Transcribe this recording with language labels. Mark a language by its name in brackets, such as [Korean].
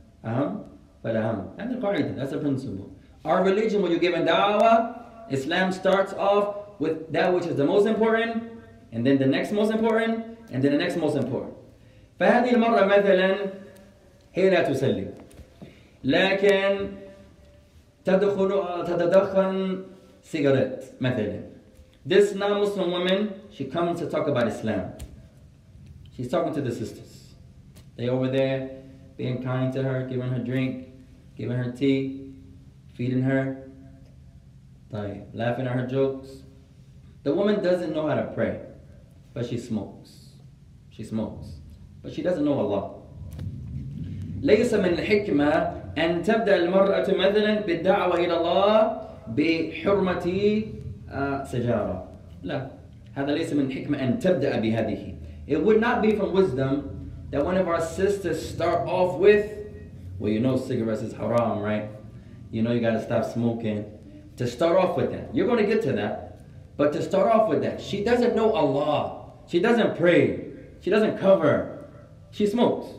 [Arabic] أهم فالأهم. هذا القاعدة, [English] that's a principle. Our religion, when you give a da'wah, Islam starts off with that which is the most important, and then the next most important, and then the next most important. [Arabic] فهذه المرة مثلا هي لا تسلم. لكن تدخل تتدخن سيجارت مثلا. [English] This non-Muslim woman, she comes to talk about Islam. She's talking to the sisters. They over there, being kind to her, giving her drink, giving her tea, feeding her, laughing at her jokes. The woman doesn't know how to pray, but she smokes. She smokes, but she doesn't know Allah. [Arabic] ليس من الحكمة أن تبدأ المرأة مثلا بالدعوة إلى الله بحرمة سجارة. لا هذا ليس من حكمة أن تبدأ بهذه. [English] It would not be from wisdom that one of our sisters start off with, well, you know cigarettes is haram, right? You know you gotta stop smoking. To start off with that, you're gonna get to that, but to start off with that, she doesn't know Allah. She doesn't pray. She doesn't cover. She smokes.